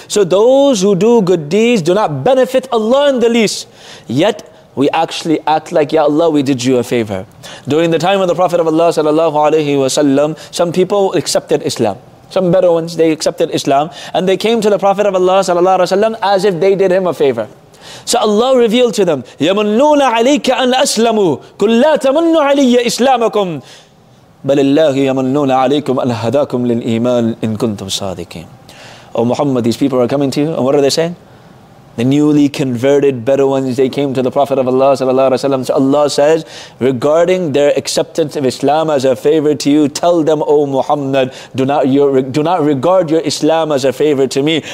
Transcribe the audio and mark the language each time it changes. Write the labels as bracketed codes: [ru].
[en] So those who do good deeds do not benefit Allah in the least. Yet, we actually act like, ya Allah, we did you a favor. During the time of the Prophet of Allah sallallahu alayhi wa sallam, some people accepted Islam. Some Bedouins, they accepted Islam. And they came to the Prophet of Allah sallallahu alayhi wa sallam as if they did him a favor. So Allah revealed to them, [ar] يَمُنُّونَ عَلَيْكَ أَنْ أَسْلَمُوا قُلْ لَا تَمُنُّ عَلَيَّ إِسْلَامَكُمْ بَلِ اللَّهِ يَمُنُّونَ عَلَيْكُمْ أَنْ هَدَاكُمْ لِلْإِيمَانِ إِن كُنْتُمْ صَادِقِينَ. [en] Oh Muhammad, these people are coming to you. And what are they saying? The newly converted Bedouins, they came to the Prophet of Allah sallallahu alayhi wa sallam. So Allah says, regarding their acceptance of Islam as a favor to you, tell them, O Muhammad, do not regard your Islam as a favor to me.